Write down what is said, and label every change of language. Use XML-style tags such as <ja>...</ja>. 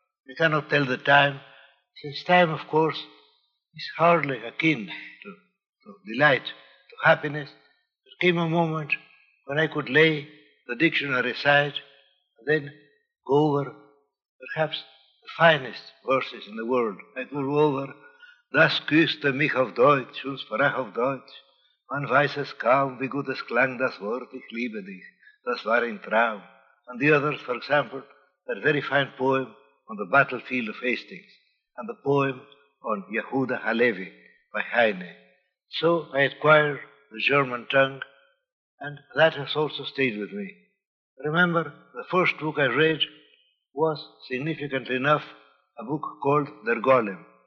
<en>I cannot tell the time, since time, of course, is hardly akin to delight, to happiness. There came a moment when I could lay the dictionary aside and then go over perhaps the finest verses in the world. I go over,</en> <de>Das küsste mich auf Deutsch und sprach auf Deutsch. Man weiß es kaum, wie gut es klang, das Wort, ich liebe dich. Das war ein Traum.</de> <en>And the others, for example, that very fine poem on the battlefield of Hastings and the poem on Yehuda Halevi by Heine. So I acquired the German tongue, and that has also stayed with me. Remember, the first book I read was, significantly enough, a book called Der Golem.</en>